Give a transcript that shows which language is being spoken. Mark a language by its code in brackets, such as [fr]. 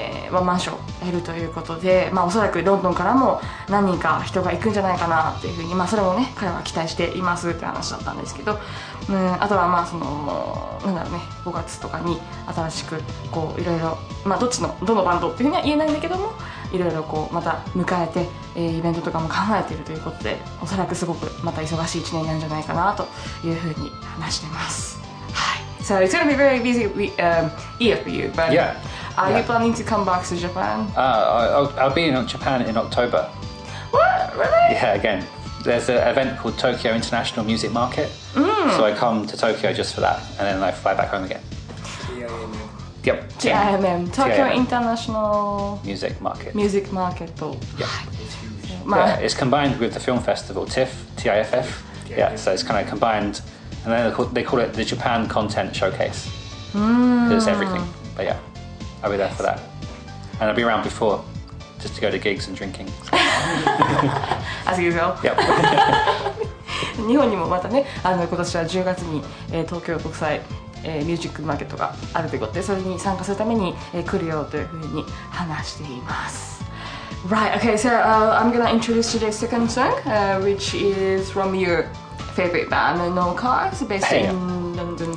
[ja] ワンマンショーやるということで、まあ、おそらくロンドンからも何人か人が行くんじゃないかなっていうふうに、まあ、それもね彼は期待していますって話だったんですけど、あとはまあそのなんだろうね、5月とかに新しくこういろいろ、まあ、どっちのどのバンドっていうふうには言えないんだけども、いろいろこうまた迎えて、イベントとかも考えているということで、おそらくすごくまた忙しい1年なんじゃないかなというふうに話してます。 [en] はい、 So it's going to be very busy year for you, but yeah, are you planning to come back to Japan? I'll be in Japan in October. What? Really? Yeah, again. There's an event called Tokyo International Music Market. So I come to Tokyo just for that, and then I fly back home again. Yep. TIMM. Tokyo International Music Market. Music Market. Yeah. It's combined with the film festival TIFF. TIFF. Yeah. So it's kind of combined, and then they call it the Japan Content Showcase. It's everything. But yeah, I'll be there for that, and I'll be around before, just to go to gigs and drinking. As usual. Yep. [ja] 日本にもまたね、あの今年は10月に、東京国際、ミュージックマーケットがあるということで、それに参加するために、来るよというふうに話しています。 [en] Right, okay, so I'm gonna introduce today's second song, which is from your favorite band, No Cars, based in London.